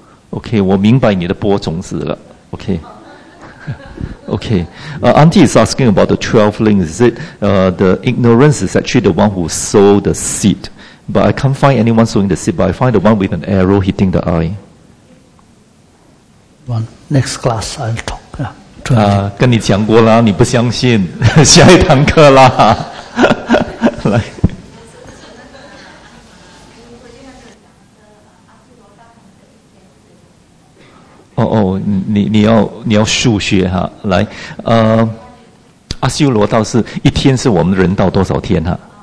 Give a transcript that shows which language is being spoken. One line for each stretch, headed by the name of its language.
Chinese: OK, 我明白你的播种子了。
English: OK, Auntie is asking about the 12 links. Is it the ignorance is actually the one who sow the seed? But I can't find anyone sowing the seed, but I find the one with an arrow hitting the eye. Next class, I'll talk.
Chinese: 跟你讲过了，你不相信，下一堂课啦。来。你要数学哈，来，阿修罗道是一天是我们人道多少天哈？